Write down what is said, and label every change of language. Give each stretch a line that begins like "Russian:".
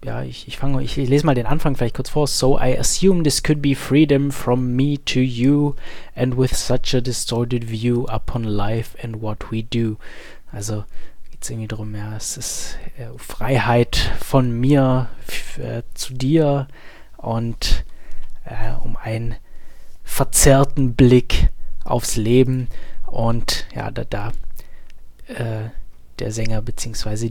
German: Ich lese mal den Anfang vielleicht kurz vor.
English: So I assume this could be freedom from me to you and with such a distorted view upon life and what we do.
German: Also geht es irgendwie darum, ja, es ist Freiheit von mir zu dir und um einen verzerrten Blick aufs Leben. Und ja, da der Sänger bzw.